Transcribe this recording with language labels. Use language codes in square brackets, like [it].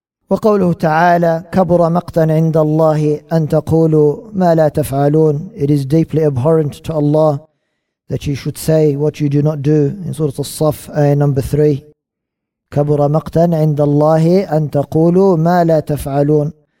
[ar] وقوله تعالى كبر مقتا عند الله أن تقولوا ما لا تفعلون. [en] It is deeply abhorrent to Allah that you should say what you do not do. In Surah الصف, ayah number 3. [ar] كبر مقتا عند الله أن تقولوا ما لا تفعلون.